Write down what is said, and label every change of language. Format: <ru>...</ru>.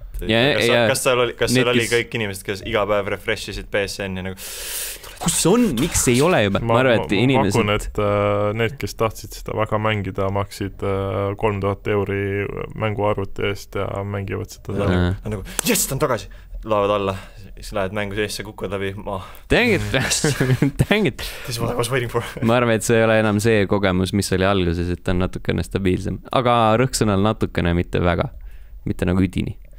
<et>Kas seal oli kõik inimesed, kes iga päev refreshisid PSN ja nagu... Kus on? Miks ei ole juba? Ma arvan, et inimesed... Ma et need, kes tahtsid seda väga mängida, maksid 3000 euri mänguarvute eest ja mängivad seda. Ja nagu, jess, ta on tagasi! Laavad alla, siis lähed mängu seesse, kukkad läbi maa.</et> <en>Dang it! This is what I was waiting for.</en> <et>Ma arvan, et see ei ole enam see kogemus, mis oli alguses, et on natukene stabiilsem. Aga rõhksõnal natukene, mitte väga. Mitte nagu üdini.</et>